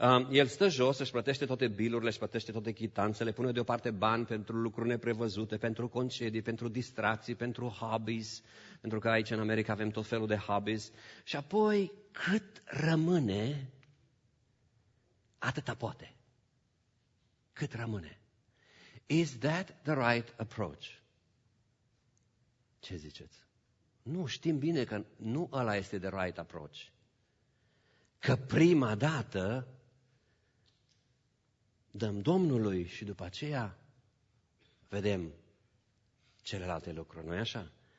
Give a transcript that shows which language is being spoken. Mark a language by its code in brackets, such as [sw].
[ro] El stă jos, își plătește toate bilurile, își plătește toate chitanțele, pune deoparte bani pentru lucruri neprevăzute, pentru concedii, pentru distracții, pentru hobbies, pentru că aici în America avem tot felul de hobbies. Și apoi, cât rămâne, atâta poate. Cât rămâne. [en] Is that the right approach? [ro] Ce ziceți? Nu, știm bine că nu ăla este [en] the right approach. [ro] Că prima dată dăm Domnului și după aceea vedem celelalte lucruri, nu-i așa?